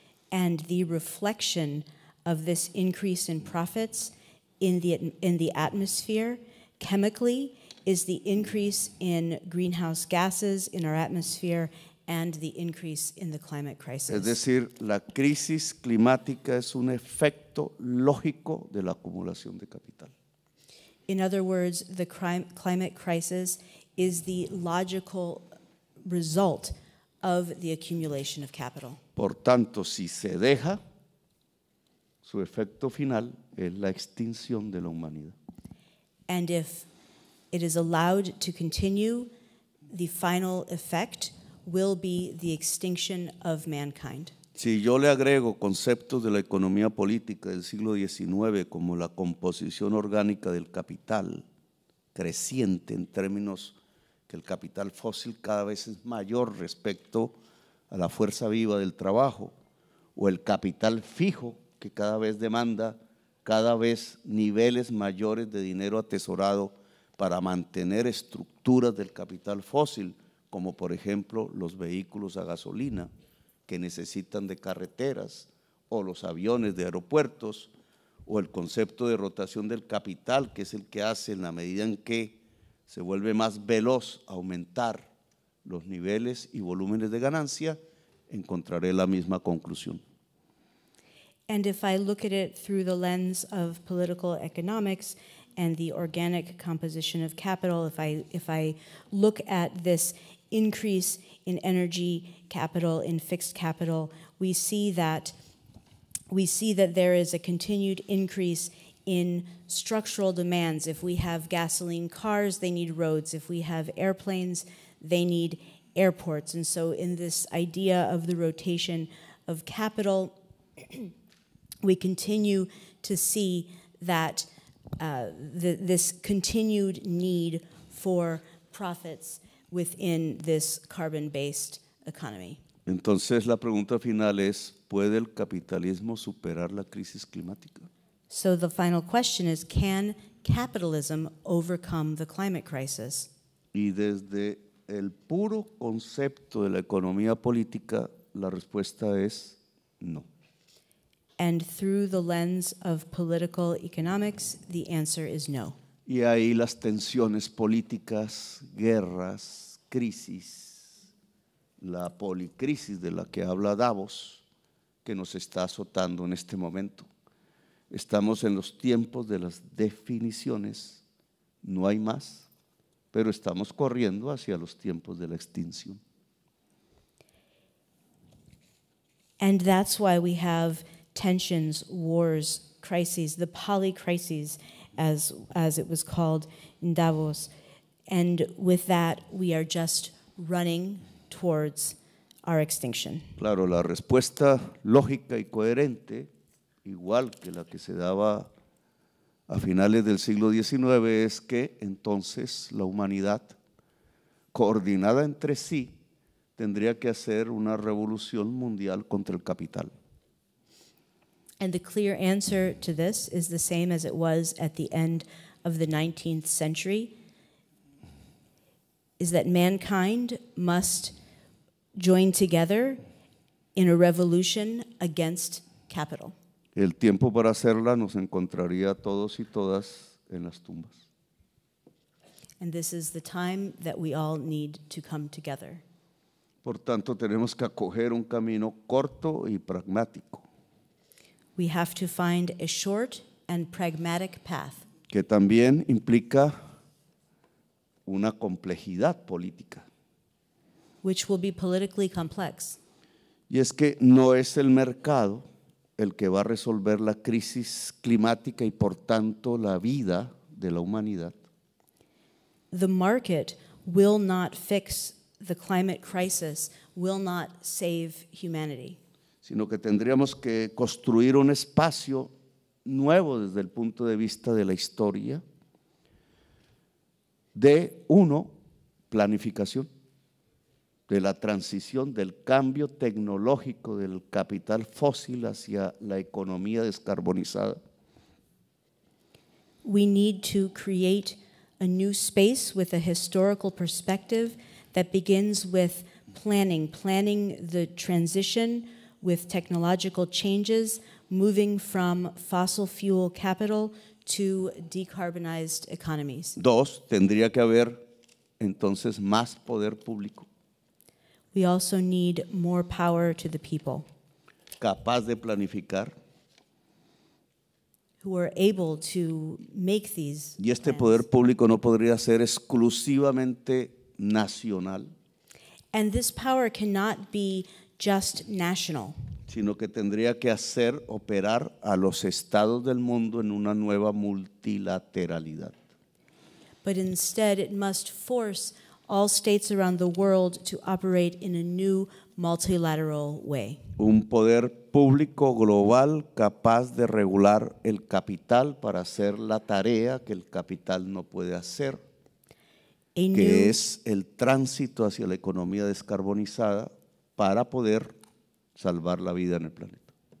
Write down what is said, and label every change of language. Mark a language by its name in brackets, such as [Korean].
[English] And the reflection of this increase in profits in the atmosphere chemically is the increase in greenhouse gases in our atmosphere and the increase in the climate crisis. [Spanish] Es decir, la crisis climática es un efecto lógico de la acumulación de capital. [English] In other words, the climate crisis is the logical result of the accumulation of capital. [Spanish] Por tanto, si se deja, su efecto final es la extinción de la humanidad. [English] And if it is allowed to continue, the final effect will be the extinction of mankind. [Spanish] Si yo le agrego conceptos de la economía política del siglo XIX como la composición orgánica del capital creciente en términos que el capital fósil cada vez es mayor respecto a la fuerza viva del trabajo, o el capital fijo que cada vez demanda cada vez niveles mayores de dinero atesorado para mantener estructuras del capital fósil, como por ejemplo los vehículos a gasolina que necesitan de carreteras, o los aviones de aeropuertos, o el concepto de rotación del capital, que es el que hace en la medida en que se vuelve más veloz aumentar los niveles y volúmenes de ganancia, encontraré la misma conclusión. [English] And if I look at it through the lens of political economics and the organic composition of capital, if I look at this increase in energy capital, in fixed capital, we see that there is a continued increase in structural demands. If we have gasoline cars, they need roads. If we have airplanes, they need airports. And so in this idea of the rotation of capital, we continue to see that this continued need for profits within this carbon-based economy. [Spanish] Entonces, la pregunta final es, ¿puede el capitalismo superar la crisis climática? [English] So the final question is, can capitalism overcome the climate crisis? [Spanish] Y desde el puro concepto de la economía política, la respuesta es no. [English] And through the lens of political economics, the answer is no. [Spanish] Y ahí las tensiones políticas, guerras, crisis, la policrisis de la que habla Davos, que nos está azotando en este momento. Estamos en los tiempos de las definiciones, no hay más, pero estamos corriendo hacia los tiempos de la extinción. [English] And that's why we have tensions, wars, crises, the policrises, as it was called in Davos. And with that, we are just running towards our extinction. [Spanish] Claro, la respuesta lógica y coherente, igual que la que se daba a finales del siglo XIX, es que entonces la humanidad, coordinada entre sí, tendría que hacer una revolución mundial contra el capital. [English] And the clear answer to this is the same as it was at the end of the 19th century, is that mankind must join together in a revolution against capital. [Spanish] El tiempo para hacerla nos encontraría todos y todas en las tumbas. [English] And this is the time that we all need to come together. [Spanish] Por tanto, tenemos que acoger un camino corto y pragmático. [English] We have to find a short and pragmatic path. [Spanish] Que también implica una complejidad política. [English] Which will be politically complex. [Spanish] Y es que no es el mercado el que va a resolver la crisis climática y por tanto la vida de la humanidad. [English] The market will not fix the climate crisis, will not save humanity. [Spanish] Sino que tendríamos que construir un espacio nuevo desde el punto de vista de la historia de uno, planificación de la transición del cambio tecnológico del capital fósil hacia la economía descarbonizada. [English] We need to create a new space with a historical perspective that begins with planning the transition with technological changes, moving from fossil fuel capital to decarbonized economies. [Spanish] Dos, tendría que haber entonces más poder público. [English] We also need more power to the people. [Spanish] Capaz de planificar. [English] Who are able to make these. [Spanish] Y este [English] plans. [Spanish] Poder público no podría ser exclusivamente nacional. [English] And this power cannot be just national. [Spanish] Sino que tendría que hacer operar a los estados del mundo en una nueva multilateralidad. [English] But instead it must force all states around the world to operate in a new multilateral way. [Spanish] Un poder público global capaz de regular el capital para hacer la tarea que el capital no puede hacer. Que es el tránsito hacia la economía descarbonizada para poder salvar la vida en el planeta.